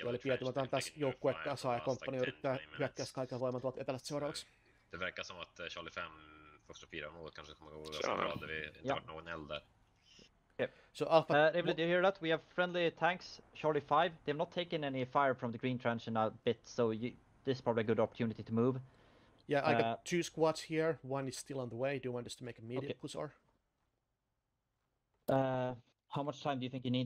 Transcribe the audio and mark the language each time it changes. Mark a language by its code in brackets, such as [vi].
[fi] Tuolle pietumataan tässä joukkue kasaan ja komppani yrittää hyökkää kaiken voiman tuolta etelästä seuraavaksi. [sv] Det verkar som att Charlie 5, Foxtrot 4 och något kanske kommer gå ganska bra, där vi inte har någon eld där. [en] So Alpha, Rivlin, do you hear that? We have friendly tanks, Charlie 5. They have not taken any fire from the green trench in a bit, so you, this is probably a good opportunity to move. Yeah, I got two squads here. One is still on the way. Do you want us to make a medium push or? How much time do you think you need?